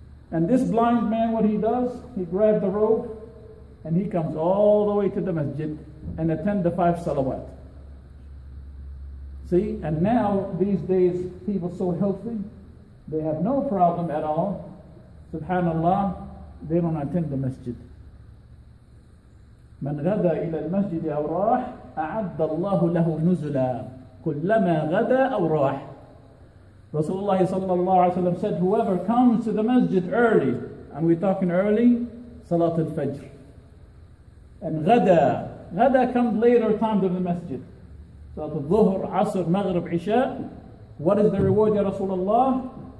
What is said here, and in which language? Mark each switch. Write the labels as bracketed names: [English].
[English] And this blind man, what he does, he grabs the rope and he comes all the way to the masjid and attend the 5 salawat. See, and now these days, people so healthy, they have no problem at all. Subhanallah, they don't attend the masjid. [Arabic] من غدا إلى المسجد أو راح أعد الله له نزلا كلما غدا أو راح. [English] Rasulullah sallallahu alayhi wa sallam said, whoever comes to the masjid early, and we're talking early, Salat al-Fajr. And ghada, ghada comes later time to the masjid. Salat al-Dhuhr, Asr, Maghrib, Isha. What is the reward, ya Rasulullah?